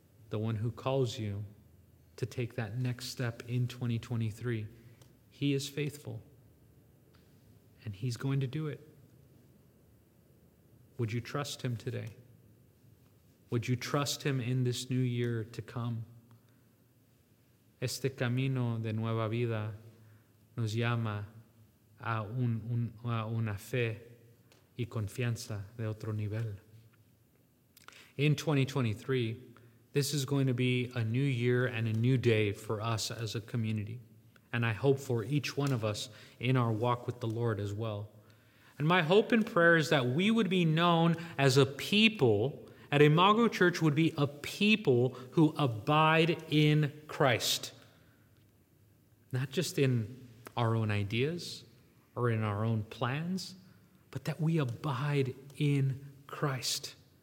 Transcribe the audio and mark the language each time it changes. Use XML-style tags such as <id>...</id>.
<en>The one who calls you to take that next step in 2023, he is faithful, and he's going to do it. Would you trust him today? Would you trust him in this new year to come?</en> <es>Este camino de nueva vida nos llama a una fe y confianza de otro nivel.</es> <en>In 2023, this is going to be a new year and a new day for us as a community, and I hope for each one of us in our walk with the Lord as well. And my hope and prayer is that we would be known as a people, at Imago Church would be a people who abide in Christ, not just in our own ideas or in our own plans, but that we abide in Christ.</en>